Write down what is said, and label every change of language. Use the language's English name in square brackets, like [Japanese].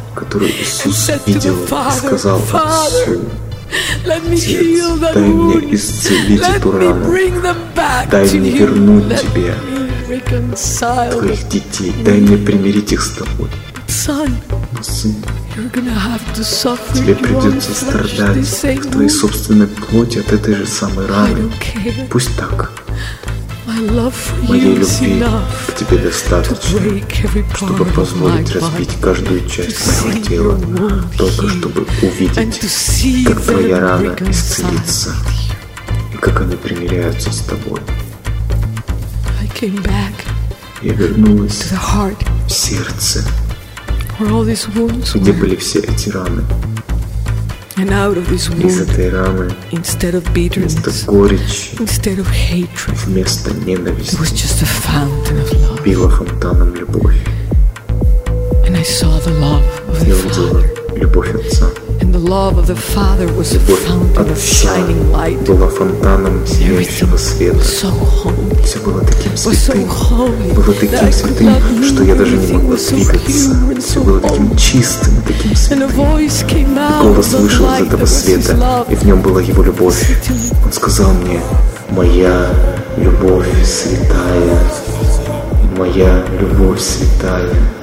[Russian] Которую Иисус видел и сказал Отцу. [English] Let me heal that wound. Let me bring them back to you. Let me reconcile them. [Russian] Дай мне примирить их с тобой. [English] Son, you're gonna have to suffer. [Russian] Тебе придется страдать в твоей собственной плоти от этой же самой раны. Пусть так. Моей любви к тебе достаточно, чтобы позволить разбить каждую часть моего тела, только чтобы увидеть, как твоя рана исцелится, и как они примиряются с тобой. Я вернулась в сердце, где были все эти раны. [English] And out of this wound, instead of bitterness, instead of hatred, [Russian] вместо ненависти, [English] it was just a fountain of love. [Russian] Била фонтаном любовь. [English] And I saw the love of the Father. [Russian] Любовь отца. [English] And the love of the Father was a fountain of shining light. [Russian] Была фонтаном сияющего света. [English] So holy. [Russian] Все было таким святым. [English] Was so holy. [Russian] Было таким святым, что я даже не мог двигаться. Все было таким чистым, таким святым. Голос вышел из этого света, и в нем была его любовь. Он сказал мне: «Моя любовь святая, моя любовь святая».